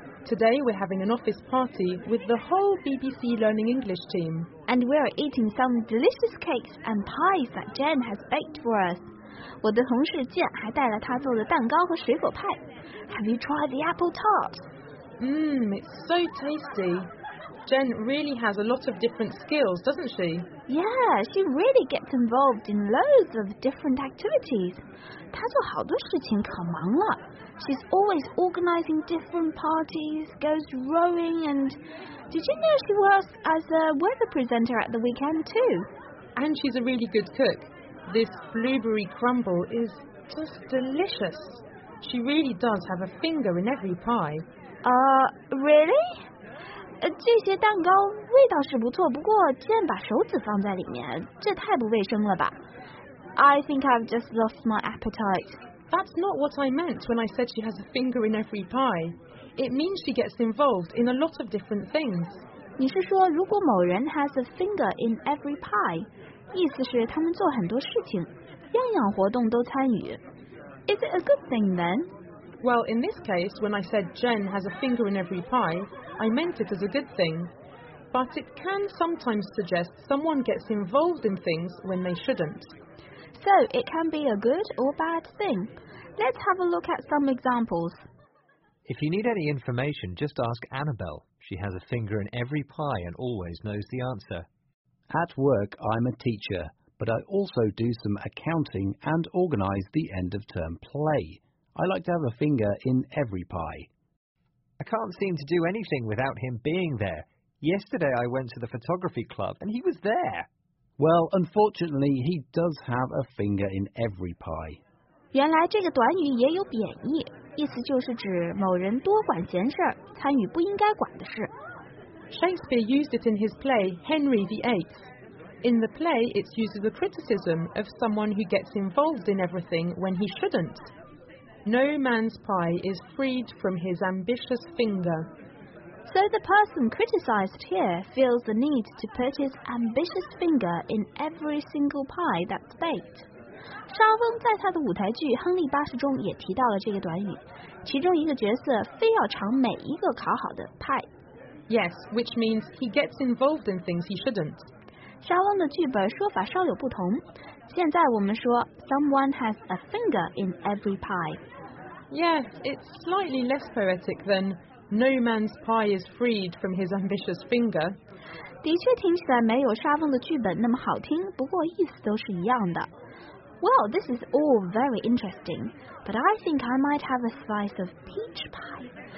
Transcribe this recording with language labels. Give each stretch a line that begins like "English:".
English: Today we're having an office party with the whole BBC Learning English team. And we're eating some delicious cakes and pies that Jen has baked for us.
Chinese: 我的同事 Jen 还带了她做的蛋糕和水果派。
English: Have you tried the apple tart? It's so tasty. Jen really has a lot of different skills, doesn't she? Yeah, she really gets involved in loads of different activities.
Chinese: 她做好多事情可忙了。
English: She's always organizing different parties, goes rowing, and... Did you know she works as a weather presenter at the weekend too? And she's a really good cook. This blueberry crumble is just delicious. She really does have a finger in every pie. Really?
Chinese: 这些蛋糕味道是不错，不过竟然把手指放在里面，这太不卫生了吧。
English: I think I've just lost my appetite. That's not what I meant when I said she has a finger in every pie. It means she gets involved in a lot of different things.
Chinese: 你是说如果某人
English: has a finger in every pie,
Chinese: 意思是他们做很多事情，样样活动都参与。
English: Is it a good thing then? Well, in this case, when I said Jen has a finger in every pie, I meant it as a good thing. But it can sometimes suggest someone gets involved in things when they shouldn't. So, it can be a good or bad thing. Let's have a look at some examples. If you need any information, just ask Annabelle. She has a finger in every pie and always knows the answer. At work, I'm a teacher, but I also do some accounting and organize the end-of-term play. I like to have a finger in every pie. I can't seem to do anything without him being there. Yesterday I went to the photography club and he was there. Well, unfortunately, he does have a finger in every pie.
Chinese: 原来这个短语也有贬义，意思就是指某人多管闲事，参与不应该管的事。
English: Shakespeare used it in his play, Henry VIII. In the play, it's used as a criticism of someone who gets involved in everything when he shouldn't. No man's pie is freed from his ambitious finger. So the person criticized here feels the need to put his ambitious finger in every single pie that's baked.
Chinese: 沙翁在他的舞台剧《亨利八世》中也提到了这个短语，其中一个角色非要尝每一个烤好的 pie.
English: Yes, which means he gets involved in things he shouldn't.
Chinese: 沙翁的剧本说法稍有不同。现在我们说
English: someone has a finger in every pie. Yes, it's slightly less poetic than no man's pie is freed from his ambitious finger.
Chinese: 的确听起来没有沙翁的剧本那么好听，不过意思都是一样的。
English: Well, this is all very interesting, but I think I might have a slice of peach pie.